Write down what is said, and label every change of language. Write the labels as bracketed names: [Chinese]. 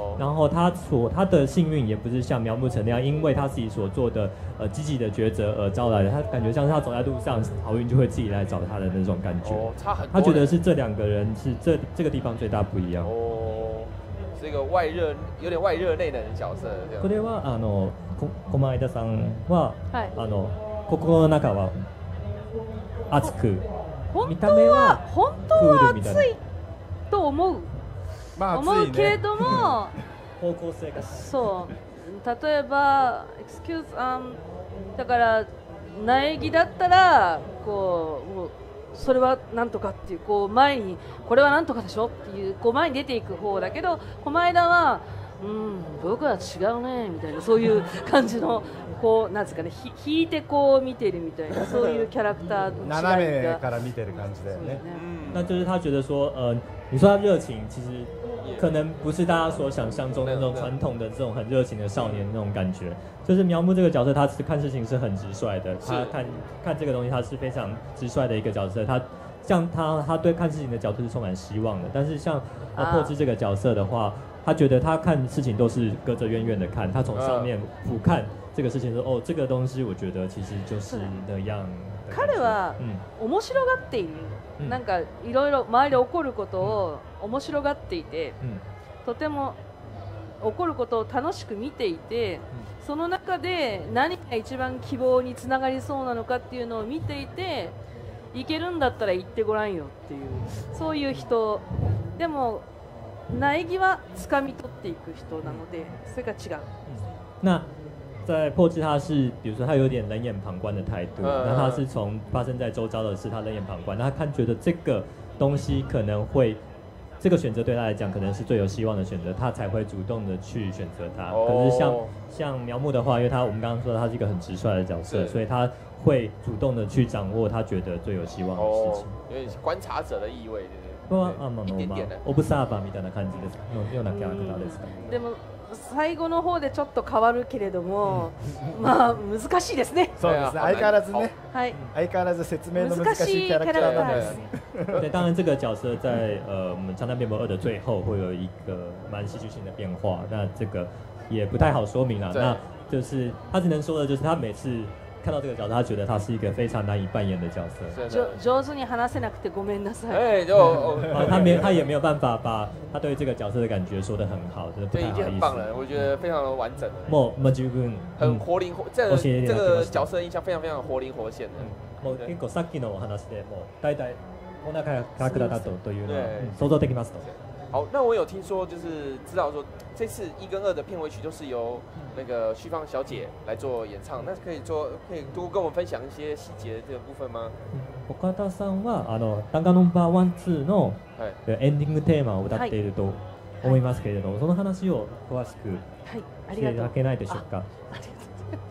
[Chinese] 然后他的幸运也不是像苗木成那样，因为他自己所做的积极的抉择而招来的，他感觉像是他走在路上，好运就会自己来找他的那种感觉。哦，差很多。他觉得是这两个人是这个地方最大不一样。哦，是一个外热，有点外热内冷的角色。 [Japanese] これはあの駒枝さんは、はい、あの心の中は熱く、見た目は本当は熱いと思う。まあね、思うけれども方向性がそう、例えば excuse、だから苗木だったらこうもうそれはなんとかっていう、こう前にこれはなんとかでしょっていう、こう前に出ていく方だけど、駒枝はうん僕は違うねみたいな、そういう感じのこうなんですかね、引いてこう見てるみたいな、そういうキャラクターの違いが斜めから見てる感じだよね。 [Chinese] 那就是他觉得说你说他热情，其实可能不是大家所想象中的那种传统的这种很热情的少年的那种感觉。就是苗木这个角色，他是看事情是很直率的，他看这个东西，他是非常直率的一个角色。他像他对看事情的角度是充满希望的，但是像破之这个角色的话，他觉得他看事情都是隔着远远的看，他从上面俯瞰这个事情说，哦，这个东西我觉得其实就是那样。 [Japanese] 彼は面白がっている、なんかいろいろ周りで起こることを面白がっていて、とても起こることを楽しく見ていて、その中で何が一番希望につながりそうなのかっていうのを見ていて、行けるんだったら行ってごらんよっていう、そういう人でも苗木は掴み取っていく人なので、それが違う。 [Chinese] 那在破之他是比如说他有点冷眼旁观的态度，那他是从发生在周遭的事他冷眼旁观，那他看觉得这个东西可能会这个选择对他来讲可能是最有希望的选择，他才会主动的去选择他。可是像苗木的话，因为他我们刚刚说他是一个很直率的角色，所以他会主动的去掌握他觉得最有希望的事情，有点观察者的意味，对不对？ [Japanese] オブサーバーみたいな感じですか、ようなキャラクターですか。でも最後の方でちょっと変わるけれども、まあ難しいですね。そうですね。相変わらずね。はい。相変わらず説明の難しいキャラクターなんです。で、 [Chinese] 当然、这个角色在我们《江南辩驳二》的最后会有一个蛮戏剧性的变化，那这个也不太好说明了。那就是他只能说的就是他每次。看到这个角色，他觉得他是一个非常难以扮演的角色。 [Japanese] 上手に話せなくてごめんなさい。 [Chinese] 哎，就他也没有办法把他对这个角色的感觉说得很好，真的不太好意思。对，已经很棒了，我觉得非常的完整了。 [Japanese] もう十分。 [Chinese] 很活灵活，这个角色印象非常非常活灵活现的。 [Japanese] もう結構さっきのお話でもう大体こんなキャラクターだとというのは想像できますと。 [Chinese] 好，那我有听说，就是知道说这次一跟二的片尾曲就是由那个旭芳小姐来做演唱，那可以多跟我们分享一些细节的这个部分吗？ [Japanese] 岡田さんはあのダンガノンバーワンツーのエンディングテーマを歌っていると思いますけれども、その話を詳しく聞いていただけないでしょうか？ありがとうございます。